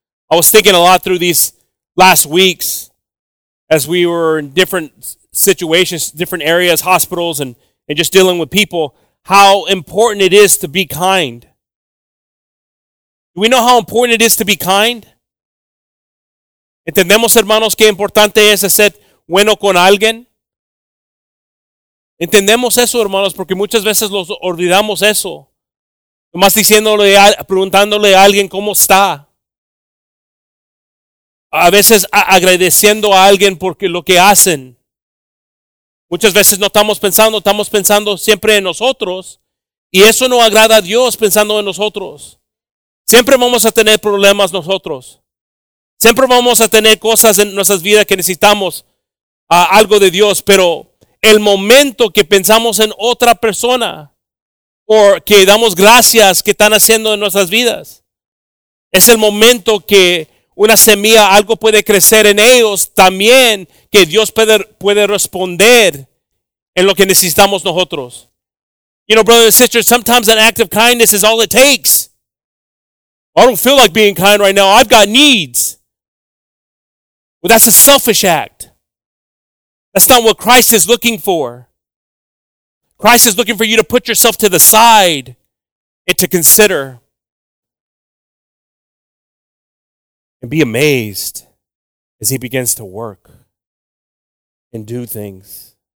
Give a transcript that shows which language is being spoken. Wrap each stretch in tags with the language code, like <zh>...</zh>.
<en>I was thinking a lot through these last weeks as we were in different situations, different areas, hospitals, and just dealing with people, how important it is to be kind. Do we know how important it is to be kind?</en> <es>¿Entendemos, hermanos, qué importante es ser bueno con alguien? ¿Entendemos eso, hermanos? Porque muchas veces los olvidamos eso. Nomás diciéndole, preguntándole a alguien cómo está. A veces agradeciendo a alguien por lo que hacen. Muchas veces no estamos pensando siempre en nosotros. Y eso no agrada a Dios, pensando en nosotros. Siempre vamos a tener problemas nosotros. Siempre vamos a tener cosas en nuestras vidas que necesitamos algo de Dios. Pero el momento que pensamos en otra persona, o que damos gracias que están haciendo en nuestras vidas, es el momento que una semilla, algo puede crecer en ellos también, que Dios puede responder en lo que necesitamos nosotros.</es> <en>You know, brothers and sisters, sometimes an act of kindness is all it takes. I don't feel like being kind right now. I've got needs. Well, that's a selfish act. That's not what Christ is looking for. Christ is looking for you to put yourself to the side and to consider and be amazed as he begins to work and do things.</en>